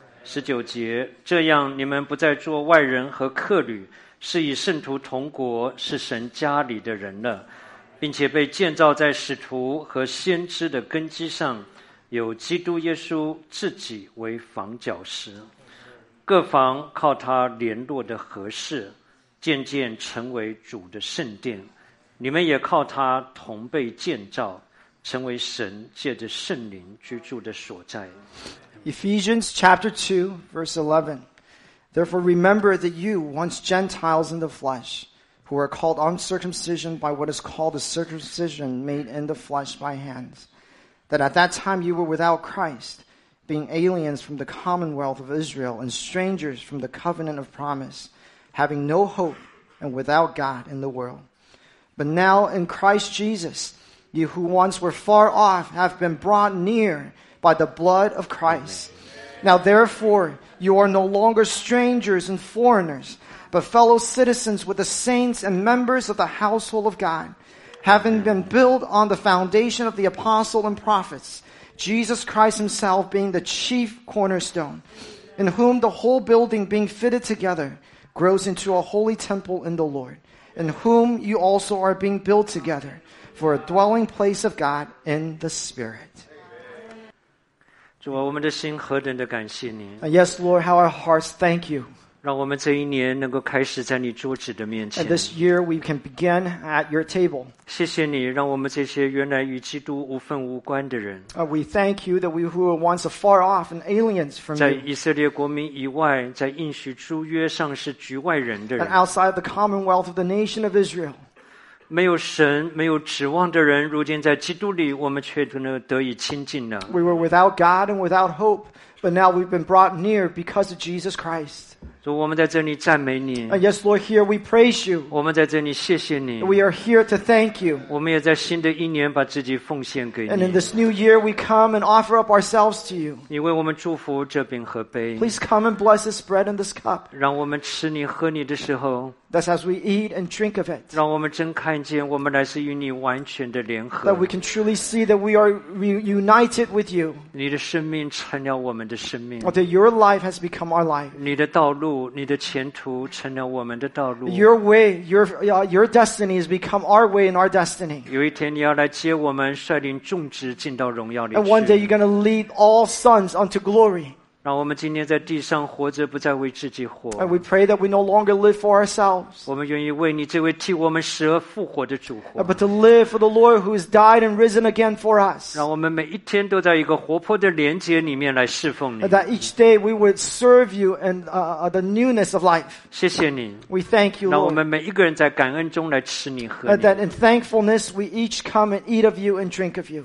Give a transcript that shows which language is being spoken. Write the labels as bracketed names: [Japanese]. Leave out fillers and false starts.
[Chinese] 十九节，这样你们不再做外人和客旅，是与圣徒同国，是神家里的人了，并且被建造在使徒和先知的根基上，有基督耶稣自己为房角石，各房靠他联络的合适，渐渐成为主的圣殿，你们也靠他同被建造，成为神借着圣灵居住的所在。 [English] Ephesians chapter 2 verse 11. Therefore remember that you once Gentiles in the flesh, who are called uncircumcision by what is called a circumcision made in the flesh by hands, that at that time you were without Christ, being aliens from the commonwealth of Israel and strangers from the covenant of promise, having no hope and without God in the world. But now in Christ Jesus, you who once were far off have been brought near by the blood of Christ. Now therefore, you are no longer strangers and foreigners, but fellow citizens with the saints and members of the household of God, having been built on the foundation of the apostles and prophets, Jesus Christ himself being the chief cornerstone, in whom the whole building being fitted together grows into a holy temple in the Lord, in whom you also are being built together for a dwelling place of God in the Spirit. [Chinese] 主啊，我们的心何等的感谢你。 [English] Yes, Lord, how our hearts thank you. [Chinese] 让我们这一年能够开始在你桌子的面前。 [English] And this year we can begin at your table. [Chinese] 谢谢你，让我们这些原来与基督无分无关的人。 [English] We thank you that we who were once afar off and aliens from you. [Chinese] 在以色列国民以外，在应许诸约上是局外人的人。 [English] And outside the commonwealth of the nation of Israel. [Chinese] 没有神，没有指望的人，如今在基督里，我们却能得以亲近了。 [English] We were without God and without hope, but now we've been brought near because of Jesus Christ. [Chinese] 主，我们在这里赞美你。 [English] Yes, Lord, here we praise you. [Chinese] 我们在这里谢谢你。 [English] We are here to thank you. [Chinese] 我们也在新的一年把自己奉献给你。 [English] And in this new year, we come and offer up ourselves to you. [Chinese] 你为我们祝福这饼和杯。 [English] Please come and bless this bread and this cup. [Chinese] 让我们吃你喝你的时候。 [English] That's as we eat and drink of it. [Chinese] 让我们真看见我们乃是与你完全的联合。 [English] That we can truly see that we are reunited with you. [Chinese] 你的生命成了我们的生命。 [English] That your life has become our life. [Chinese] 你的道路。你的前途成了我们的道路。 [English] Your way, your destiny has become our way and our destiny. [Chinese] 有一天你要来接我们，率领众子进到荣耀里去。 [English] And one day you're going to lead all sons unto glory. [Chinese] 让我们今天在地上活着，不再为自己活。 [English] And we pray that we no longer live for ourselves. [Chinese] 我们愿意为你这位替我们死而复活的主活。 [English] But to live for the Lord who has died and risen again for us. [Chinese] 让我们每一天都在一个活泼的连结里面来侍奉你。 [English] That each day we would serve you in the newness of life. [Chinese] 谢谢你。 [English] We thank you, Lord. [Chinese] 让我们每一个人在感恩中来吃你喝你。 [English] That in thankfulness we each come and eat of you and drink of you.